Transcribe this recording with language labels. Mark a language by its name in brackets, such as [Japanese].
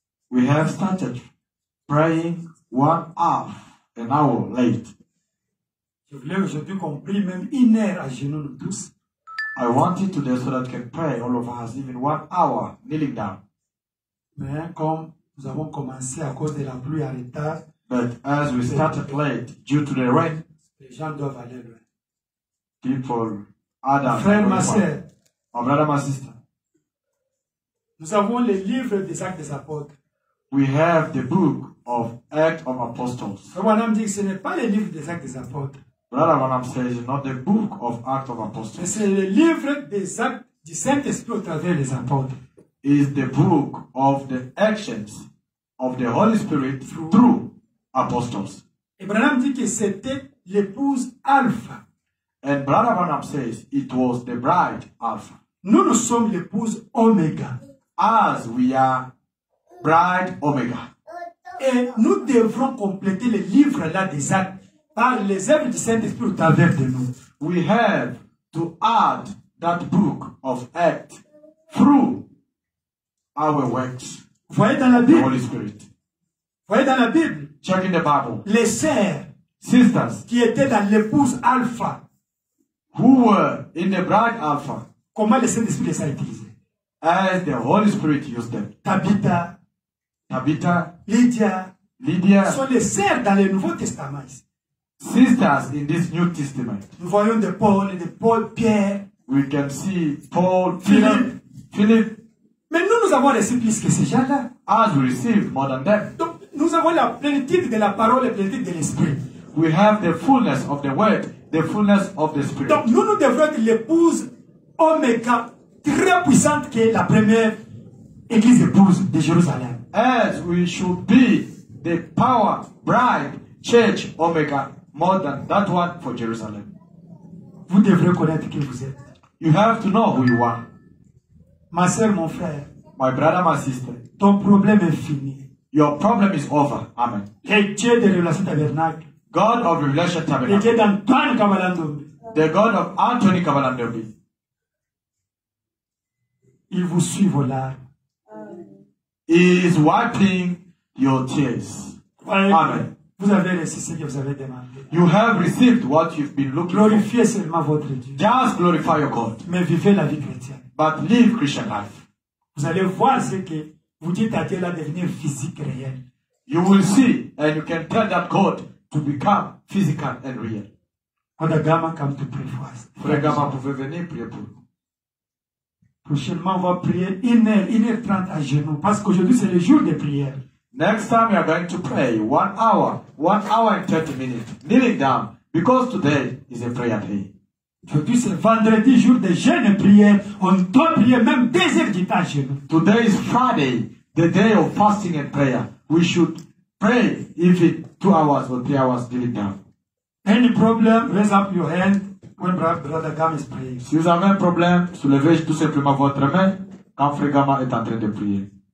[English] we have started praying 1 hour, an hour late. [French] Je voulais aujourd'hui qu'on prie même 1 heure à genoux tous. [English] I wanted today so that we can pray all of us even 1 hour kneeling down. [French] Mais comme nous avons commencé à cause de la pluie à l'état, [English] but as we started late due to the rain, [French] les gens doivent aller loin. [English] People, Adam, [French] frère, ma sœur, [English] or brother, my sister. [French] Nous avons le livre des Actes des Apôtres. [English] We have the book of Acts of Apostles. [French] Frère Branham dit que ce n'est pas le livre des Actes des Apôtres. [English] Brother Branham says it's not the book of Acts of Apostles. [French] Mais c'est le livre des Actes du Saint-Esprit au travers des apôtres. [English] Is the book of the actions of the Holy Spirit through apostles. [French] Et Branham dit que c'était l'épouse Alpha. [English] And Brother Branham says it was the bride Alpha. [French] Nous nous sommes l'épouse Omega. [English] As we are bride Omega. [French] Et nous devrons compléter le livre là des actes par les œuvres du Saint-Esprit au travers de nous. [English] We have to add that book of acts through our works. [French] Vous voyez dans la Bible? [English] The Holy Spirit. [French] Vous voyez dans la Bible? [English] Check in the Bible. [French] Les sœurs, [English] sisters, [French] qui étaient dans l'épouse Alpha, [English] who were in the bride Alpha. [French] Comment le Saint-Esprit les a utilisés? [English] As the Holy Spirit used them. [French] Tabitha. [English] Tabitha. [French] Lydia. [English] Lydia. [French] Sont les sœurs dans le Nouveau Testament ici. [English] Sisters in this New Testament. [French] Nous voyons de Paul et de Paul, Pierre. [English] We can see Paul, Philippe. Philippe. [French] Mais nous, nous avons reçu plus que ces gens-là. [English] As we receive more than them. [French] Donc, nous avons la plénitude de la parole et la plénitude de l'Esprit. [English] We have the fullness of the word, the fullness of the Spirit. [French] Donc, nous, nous devons être l'épouse Omega, très puissante qui est la première église épouse de Jérusalem. [English] As we should be the power bride church Omega, more than that one for Jerusalem. [French] Vous devrez connaître qui vous êtes. [English] You have to know who you are. [French] Ma sœur, mon frère. [English] My brother, my sister. [French] Ton problème est fini. [English] Your problem is over. Amen. [French] Le Dieu de Révélation Tabernacle. [English] God of Revelation Tabernacle. [French] Le Dieu d'Antoine Kavalandombe. [English] The God of Anthony Kavalandombe. [French] Il vous suit vos larmes. [English] He is wiping your tears. Amen. [French] Vous avez reçu ce que vous avez demandé. [English] You have received what you've been looking for. [French] Glorifiez seulement votre Dieu. [English] Just glorify your God. [French] Mais vivez la vie chrétienne. [English] But live Christian life. [French] Vous allez voir ce que vous dites à Dieu là devenir physique réel. [English] You will see and you can tell that God to become physical and real. Frère Gama, come to pray for us. [French] Frère Gama, pouvez venir prier pour nous. Prochainement, on va prier 1h30 à genoux, parce qu'aujourd'hui c'est le jour de prière. [English] Next time we are going to pray 1 hour and 30 minutes kneeling down, because today is a prayer day. [French] Aujourd'hui c'est vendredi, jour de jeûne et prière. On doit prier même 2 heures du temps à genoux. [English] Today is Friday, the day of fasting and prayer. We should pray even 2 hours or 3 hours kneeling down. Any problem? Raise up your hand. When Brother Gama is praying. [French] Si vous avez un problème, soulevez tout simplement votre main quand Frère Gama est en train de prier.